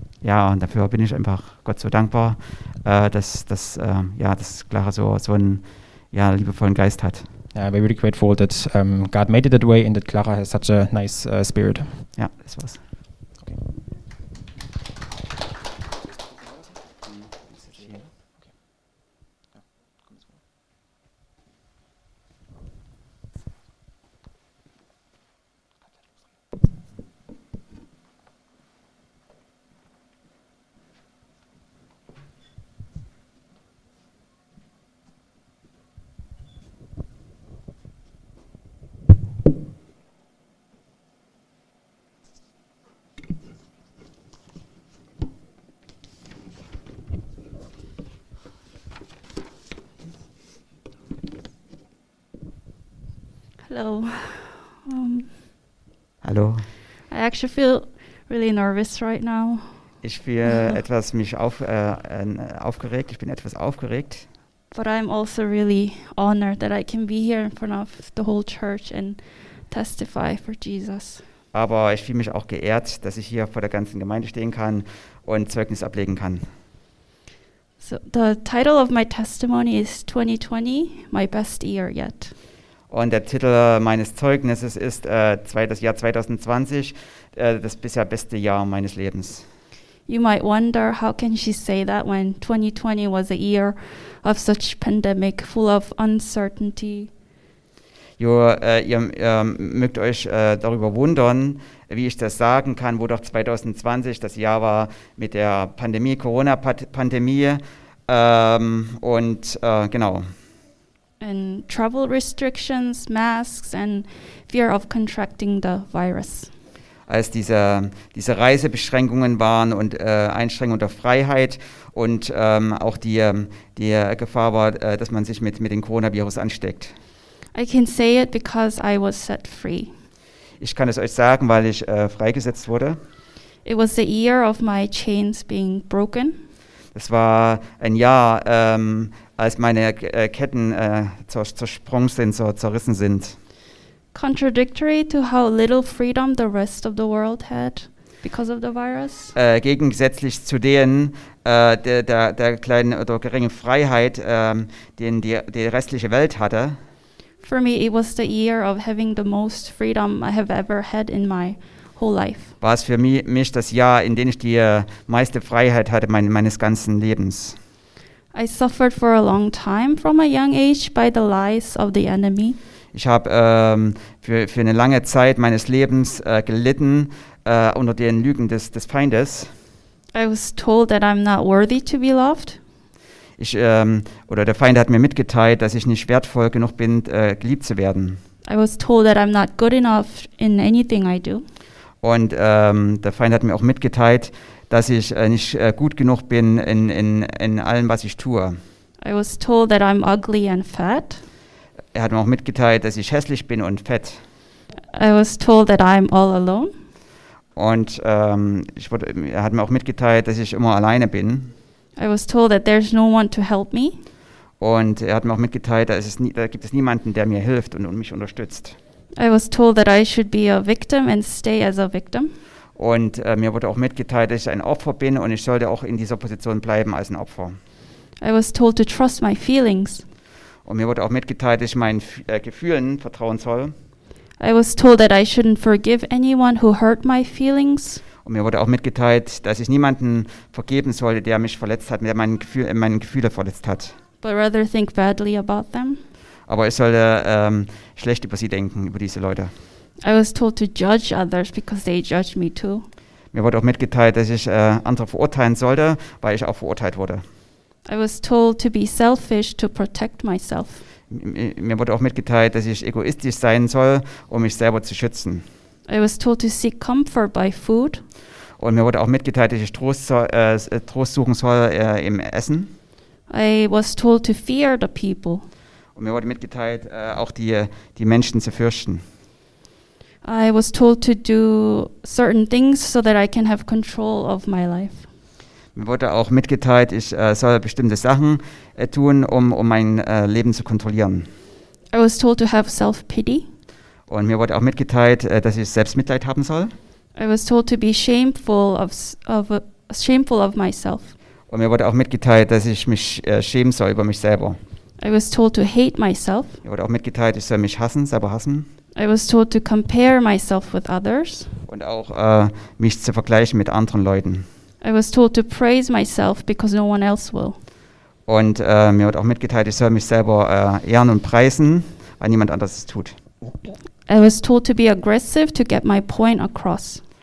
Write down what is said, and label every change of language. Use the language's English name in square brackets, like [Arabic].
[German] Ja, und dafür bin ich einfach Gott so dankbar, dass Clara so einen liebevollen Geist hat. [English] We're really grateful that God made it that way and that Clara has such a nice spirit. [German] Ja, das war's. Okay. [English] Hello. [German] Hallo. [English] I actually feel really nervous right now. [German] Ich fühle etwas aufgeregt. Ich bin etwas aufgeregt. [English] But I'm also really honored that I can be here in front of the whole church and testify for Jesus. [German] Aber ich fühle mich auch geehrt, dass ich hier vor der ganzen Gemeinde stehen kann und Zeugnis ablegen kann. [English] So the title of my testimony is 2020, my best year yet. [German] Und der Titel meines Zeugnisses ist das Jahr 2020, das bisher beste Jahr meines Lebens. [English] You might wonder, how can she say that when 2020 was a year of such pandemic, full of uncertainty? [German] Ihr mögt euch darüber wundern, wie ich das sagen kann, wo doch 2020 das Jahr war mit der Pandemie, Corona-Pandemie. Genau. [English] And travel restrictions, masks and fear of contracting the virus. [German] Als diese Reisebeschränkungen waren und Einschränkungen der Freiheit und auch die Gefahr war, dass man sich mit dem Coronavirus ansteckt. [English] I can say it because I was set free. [German] Ich kann es euch sagen, weil ich freigesetzt wurde. [English] It was the year of my chains being broken. [German] Das war ein Jahr, als meine Ketten zersprungen sind, zerrissen sind. [English] Contradictory to how little freedom the rest of the world had because of the virus. [German] Gegensätzlich zu denen der kleinen oder geringen Freiheit, den die restliche Welt hatte. [English] For me, it was the year of having the most freedom I have ever had in my whole life. [German] War es für mich das Jahr, in dem ich die meiste Freiheit hatte meines ganzen Lebens. [English] I suffered for a long time from a young age by the lies of the enemy. [German] Ich habe für eine lange Zeit meines Lebens gelitten unter den Lügen des Feindes. [English] I was told that I'm not worthy to be loved. [German] Oder der Feind hat mir mitgeteilt, dass ich nicht wertvoll genug bin, geliebt zu werden. [English] I was told that I'm not good enough in anything I do. [German] Und der Feind hat mir auch mitgeteilt, dass ich nicht gut genug bin in allem, was ich tue. [English] I was told that I'm ugly and fat. [German] Er hat mir auch mitgeteilt, dass ich hässlich bin und fett. [English] I was told that I'm all alone. [German] Und er hat mir auch mitgeteilt, dass ich immer alleine bin. [English] I was told that there's no one to help me. [German] Und er hat mir auch mitgeteilt, dass es gibt es niemanden, der mir hilft und mich unterstützt. [English] I was told that I should be a victim and stay as a victim. [German] Und mir wurde auch mitgeteilt, dass ich ein Opfer bin und ich sollte auch in dieser Position bleiben als ein Opfer. [English] I was told to trust my feelings. [German] Und mir wurde auch mitgeteilt, dass ich meinen Gefühlen vertrauen soll. [English] I was told that I shouldn't forgive anyone who hurt my feelings. [German] Und mir wurde auch mitgeteilt, dass ich niemanden vergeben sollte, der mich verletzt hat, der meine Gefühle verletzt hat. [English] But rather think badly about them. [German] Aber ich sollte schlecht über sie denken, über diese Leute. [English] I was told to judge others because they judged me too. [German] Mir wurde auch mitgeteilt, dass ich andere verurteilen sollte, weil ich auch verurteilt wurde. [English] I was told to be selfish to protect myself. [German] Mir wurde auch mitgeteilt, dass ich egoistisch sein soll, um mich selber zu schützen. [English] I was told to seek comfort by food. [German] Und mir wurde auch mitgeteilt, dass ich Trost suchen soll im Essen. [English] I was told to fear the people. [German] Und mir wurde mitgeteilt, auch die Menschen zu fürchten. [English] I was told to do certain things so that I can have control of my life. [German] Mir wurde auch mitgeteilt, ich soll bestimmte Sachen tun, um mein Leben zu kontrollieren. [English] I was told to have self-pity. [German] Und mir wurde auch mitgeteilt, dass ich Selbstmitleid haben soll. [English] I was told to be shameful of myself. [German] Und mir wurde auch mitgeteilt, dass ich mich schämen soll über mich selber. [English] I was told to hate myself. [German] Mir wurde auch mitgeteilt, ich soll mich hassen, selber hassen. [English] I was told to compare myself with others. [German] Und auch mich zu vergleichen mit anderen Leuten. [English] I was told to praise myself because no one else will. [German] Und mir wurde auch mitgeteilt, ich soll mich selber ehren und preisen, weil niemand anders es tut. [English] I was told to be aggressive to get my point across.